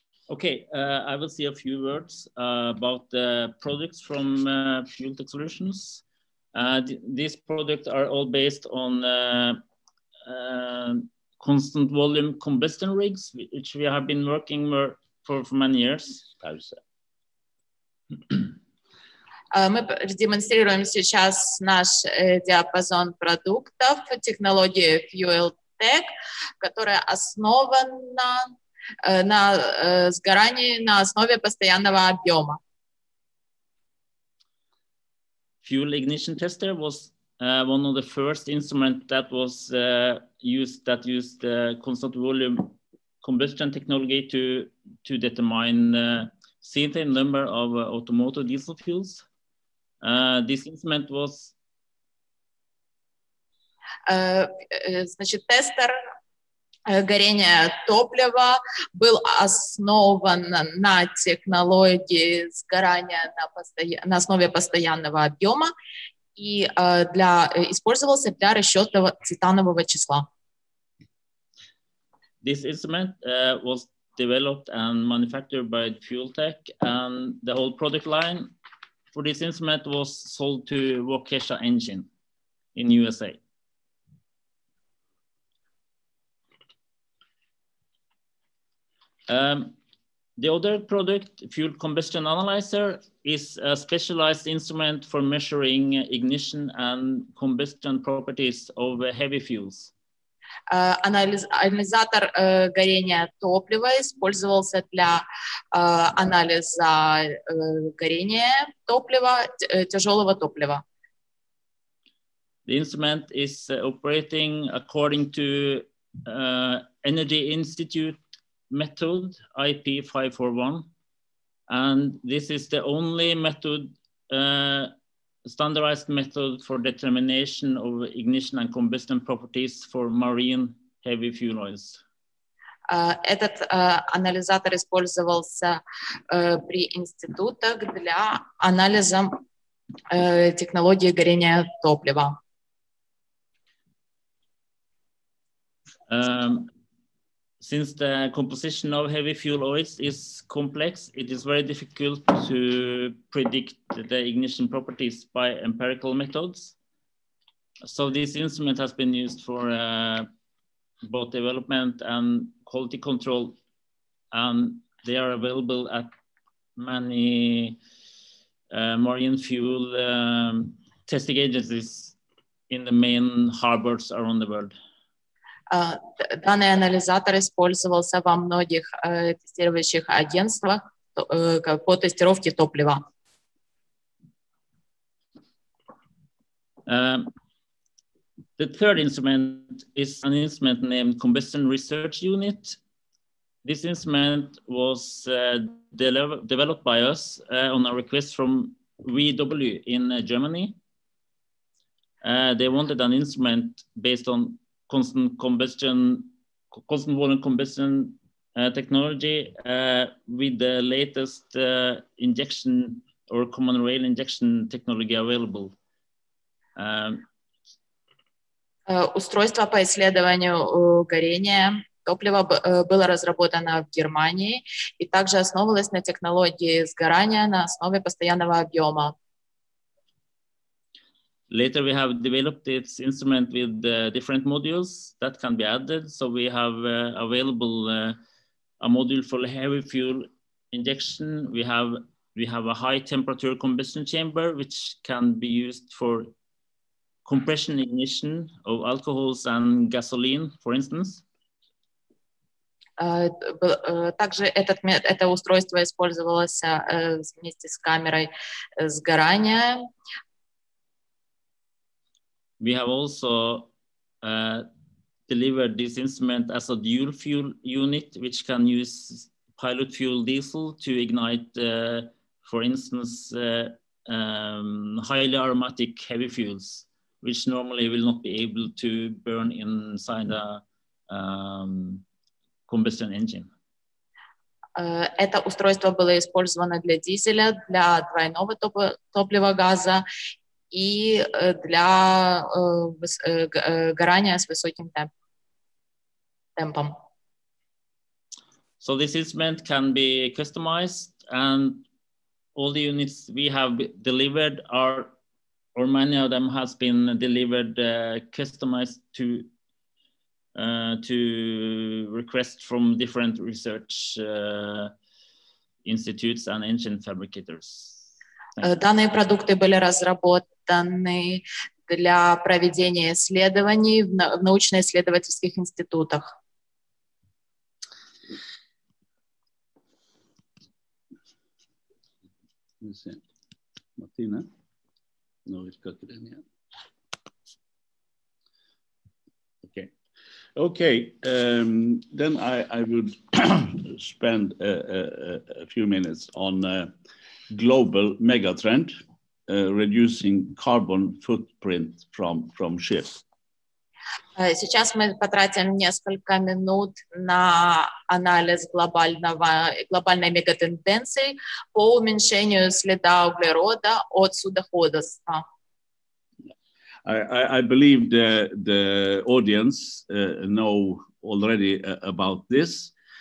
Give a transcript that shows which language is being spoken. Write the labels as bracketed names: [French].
[English] Okay, I will say a few words about the products from FuelTech Solutions. These products are all based on constant volume combustion rigs, which we have been working for many years. [Russian] Мы демонстрируем сейчас наш диапазон продуктов, технологии FuelTech, которая основана на сгорании на основе постоянного объема. [English] Fuel ignition tester was one of the first instruments that was used constant volume combustion technology to determine CNTE number of automotive diesel fuels. This instrument was. [Russian] Значит, тестер горения топлива был основан на технологии сгорания на основе постоянного объема и использовался для расчета цетанового числа. [English] This instrument was developed and manufactured by FuelTech, and the whole product line for this instrument was sold to Waukesha Engine in USA. The other product, fuel combustion analyzer, is a specialized instrument for measuring ignition and combustion properties of heavy fuels. [Russian] Анализатор горения топлива использовался для анализа горения топлива, тяжелого топлива. [English] The instrument is operating according to Energy Institute method, IP541, and this is the only method, standardized method for determination of ignition and combustion properties for marine heavy fuel oils. [Russian] Этот анализатор использовался при институтах для анализа технологии горения топлива. [English] Since the composition of heavy fuel oils is complex, it is very difficult to predict the ignition properties by empirical methods. So this instrument has been used for both development and quality control, and they are available at many marine fuel testing agencies in the main harbors around the world. [Russian] Данный анализатор использовался во многих тестирующих агентствах по тестировке топлива. [English] The third instrument is an instrument named Combustion Research Unit. This instrument was developed by us on a request from VW in Germany. They wanted an instrument based on constant volume combustion technology with the latest injection or common rail injection technology available. [Russian] Устройство по исследованию горения топлива было разработано в Германии и также основывалось на технологии сгорания на основе постоянного объема. [English] Later we have developed this instrument with different modules that can be added. So we have available a module for heavy fuel injection. We have a high temperature combustion chamber which can be used for compression ignition of alcohols and gasoline, for instance. [Russian] Также это устройство использовалось вместе с камерой сгорания. [English] We have also delivered this instrument as a dual fuel unit, which can use pilot fuel diesel to ignite, for instance, highly aromatic heavy fuels, which normally will not be able to burn inside a combustion engine. [Russian] Это устройство было использовано для дизеля, для двойного топлива газа и для горания с высоким темпом. [English] So this instrument can be customized, and all the units we have delivered are, or many of them has been delivered customized to requests from different research institutes and engine fabricators. [Russian] Данные продукты были разработаны для проведения исследований в научно-исследовательских институтах. Мартина, Новикакрения. [English] Okay. Okay. Then I would spend a few minutes on global megatrend, reducing carbon footprint from ships. [Russian] Сейчас мы потратим несколько минут на анализ глобальной мегатенденции по уменьшению следа углерода от судоходства. [English] I believe the audience know already about this.